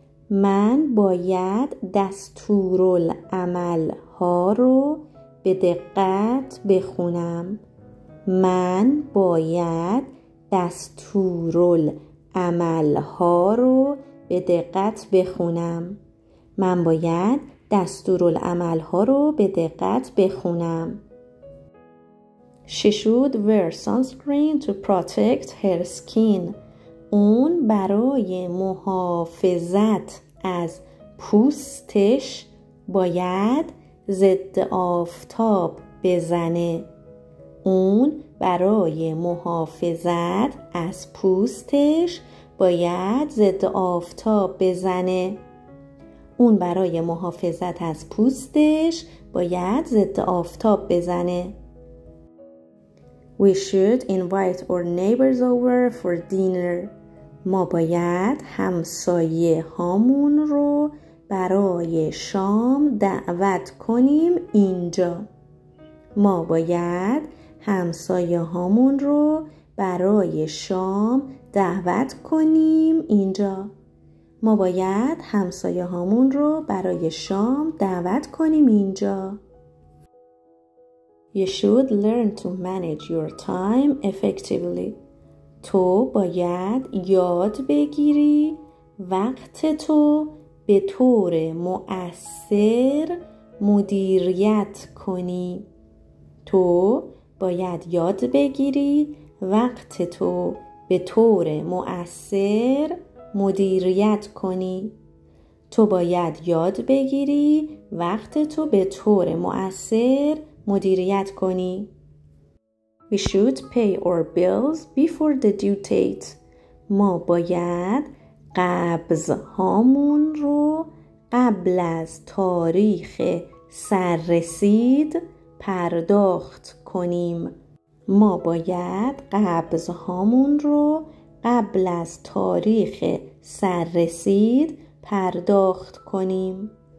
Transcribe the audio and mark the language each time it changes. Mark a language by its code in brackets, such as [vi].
[fa] من باید دستورالعمل ها رو به دقت بخونم. من باید دستورالعمل ها رو به دقت بخونم. من باید دستورالعمل ها رو به دقت بخونم. [en] She should wear sunscreen to protect her skin. [fa] اون برای محافظت از پوستش باید ضد آفتاب بزنه. اون برای محافظت از پوستش باید ضد آفتاب بزنه. اون برای محافظت از پوستش باید ضد آفتاب بزنه. [en] We should invite our neighbors over for dinner. [fa] ما باید همسایه هامون رو برای شام دعوت کنیم اینجا. ما باید همسایه هامون رو برای شام دعوت کنیم اینجا. ما باید همسایه هامون رو برای شام دعوت کنیم اینجا. [en] You should learn to manage your time effectively. [fa] تو باید یاد بگیری وقت تو به طور مؤثر مدیریت کنی. تو باید یاد بگیری وقت تو به طور مؤثر مدیریت کنی. تو باید یاد بگیری وقت تو به طور مؤثر مدیریت کنی. [en] We should pay our bills before the due date. [fa] ما باید قبض هامون رو قبل از تاریخ سررسید پرداخت کنیم. ما باید قبض هامون رو قبل از تاریخ سررسید پرداخت کنیم.